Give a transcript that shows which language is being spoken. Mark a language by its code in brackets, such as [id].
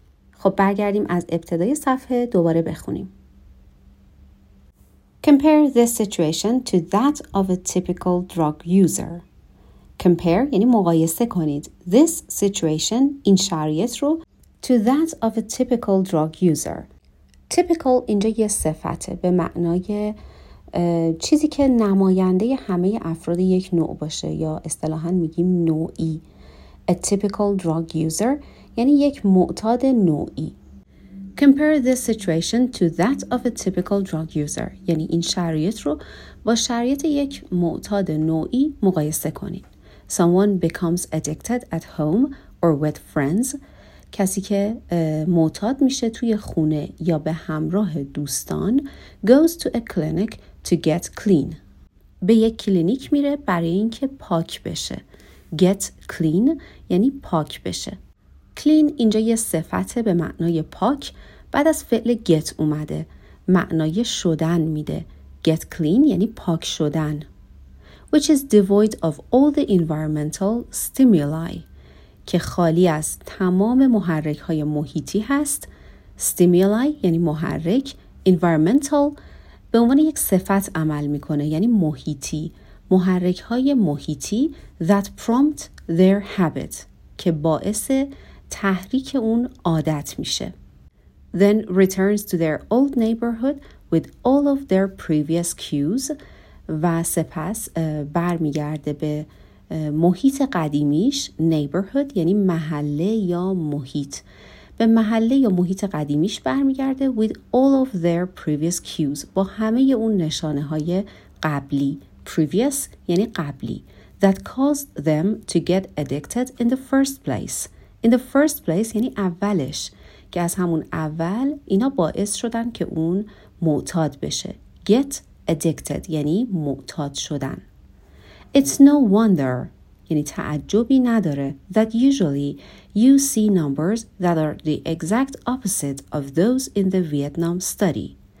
[fa] خب برگردیم از ابتدای صفحه دوباره بخونیم. [en] Compare this situation to that of a typical drug user. Compare [fa] یعنی مقایسه کنید [en] this situation [fa] این شرایط رو [en] to that of a typical drug user. [fa] Typical اینجا یه صفته به معنای چیزی که نماینده همه افراد یک نوع باشه یا اصطلاحاً میگیم نوعی. [en] A typical drug user [fa] یعنی یک معتاد نوعی. [en] Compare this situation to that of a typical drug user. [fa] یعنی این شرایط رو با شرایط یک معتاد نوعی مقایسه کنید. [en] Someone becomes addicted at home or with friends. [fa] کسی که معتاد میشه توی خونه یا به همراه دوستان [en] goes to a clinic to get clean. [fa] به یک کلینیک میره برای اینکه پاک بشه. Get clean یعنی پاک بشه. Clean اینجا یه صفته به معنای پاک بعد از فعل get اومده. معنای شدن میده. Get clean یعنی پاک شدن. [en] Which is devoid of all the environmental stimuli. [fa] که خالی از تمام محرک های محیطی هست. Stimuli یعنی محرک. Environmental به عنوان یک صفت عمل میکنه یعنی محیطی. محرک های محیطی [en] that prompt their habit. [fa] که باعث تحریک اون عادت میشه. [en] Then returns to their old neighborhood with all of their previous cues [fa] و سپس برمیگرده به محیط قدیمیش. Neighborhood یعنی محله یا محیط. به محله یا محیط قدیمیش برمیگرده [en] with all of their previous cues [fa] با همه اون نشانه های قبلی. [en] Previous [fa] یعنی قبلی. [en] That caused them to get addicted in the first place. [fa] In the first place یعنی اولش که از همون اول اینا باعث شدن که اون معتاد بشه. Get addicted یعنی معتاد شدن. [en] It's no wonder [fa] یعنی تعجبی نداره [en] that usually you see numbers that are the exact opposite of those in the Vietnam study.